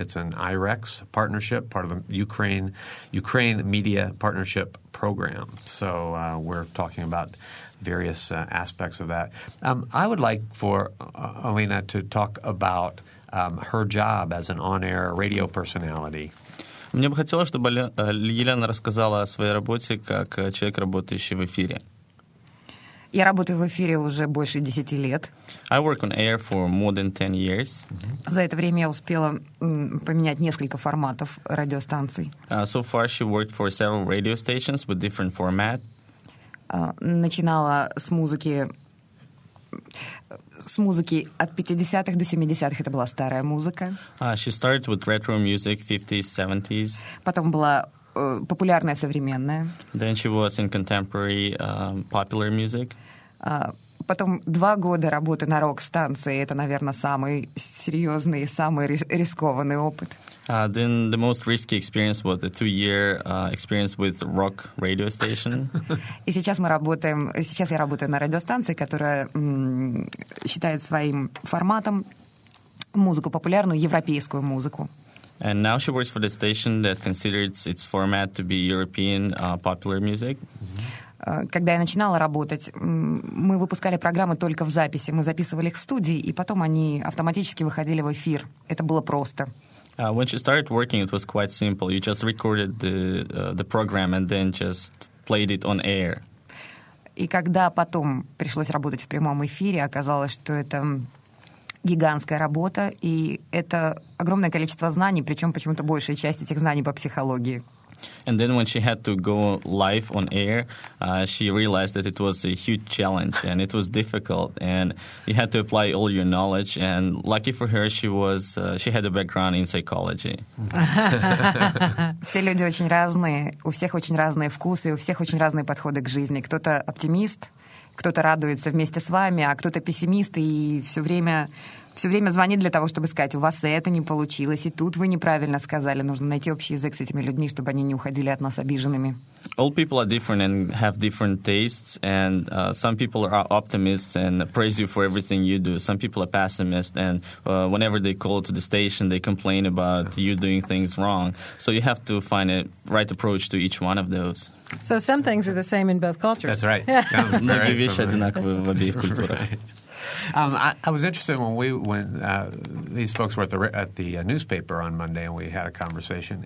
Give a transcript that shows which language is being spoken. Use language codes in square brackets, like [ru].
[en] It's an IREX partnership, part of the Ukraine Media Partnership Program. So we're talking about various aspects of that. I would like for Alina to talk about her job as an on-air radio personality. [ru] Мне бы хотелось, чтобы Елена рассказала о своей работе как человек, работающий в эфире. Я работаю в эфире уже больше 10 лет. [en] I work on air for more than 10 years. [ru] За это время я успела поменять несколько форматов радиостанций. [en] So far she worked for several radio stations with different format. [ru] Начинала с музыки. С музыки от 50-х до 70-х это была старая музыка. [en] She started with retro music, 50s, 70s. [ru] Потом была популярная современная. [en] Then she was in contemporary popular music. [ru] Потом два года работы на рок-станции. Это, наверное, самый серьезный и самый рискованный опыт. [en] Then the most risky experience was the two-year experience with rock radio station. [ru] И сейчас мы работаем. Сейчас я работаю на радиостанции, которая считает своим форматом музыку популярную европейскую музыку. [en] And now she works for the station that considers its format to be European popular music. [ru] Когда я начинала работать, мы выпускали программы только в записи. Мы записывали их в студии, и потом они автоматически выходили в эфир. Это было просто. [en] When she started working, it was quite simple. You just recorded the program and then just played it on air. [ru] И когда потом пришлось работать в прямом эфире, оказалось, что это гигантская работа, и это огромное количество знаний, причем почему-то большая часть этих знаний по психологии. [en] And then when she had to go live on air, she realized that it was a huge challenge and it was difficult and you had to apply all your knowledge. And lucky for her, she had a background in psychology. [ru] Все люди очень разные, у всех очень разные вкусы, у всех очень разные подходы к жизни. Кто-то оптимист, кто-то радуется вместе с вами, а кто-то пессимист и все время звонит для того, чтобы сказать, у вас это не получилось, и тут вы неправильно сказали. Нужно найти общий язык с этими людьми, чтобы они не уходили от нас обиженными. [en] All people are different and have different tastes, and some people are optimists and praise you for everything you do. Some people are pessimists, and whenever they call to the station, they complain about you doing things wrong. So you have to find a right approach to each one of those. So some things are the same in both cultures. That's right. Maybe [ru] вещи одинаковы в обеих культурах. [en] I was interested when these folks were at the newspaper on Monday and we had a conversation.